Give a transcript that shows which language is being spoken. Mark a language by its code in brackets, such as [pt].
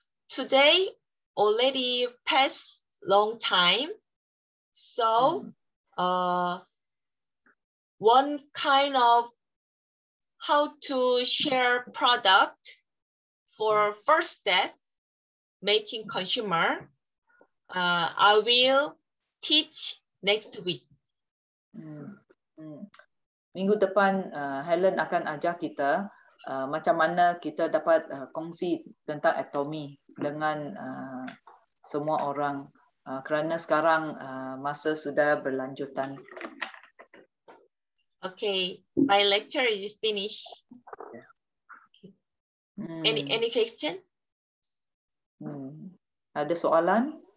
[en] Today already passed long time, so one kind of how to share product for first step making consumer, I will teach next week. [ms] Minggu depan Helen akan ajar kita macam mana kita dapat kongsi tentang Atomy dengan semua orang kerana sekarang masa sudah berlanjutan. [en] Okay, my lecture is finished. Any question? [ms] Ada soalan?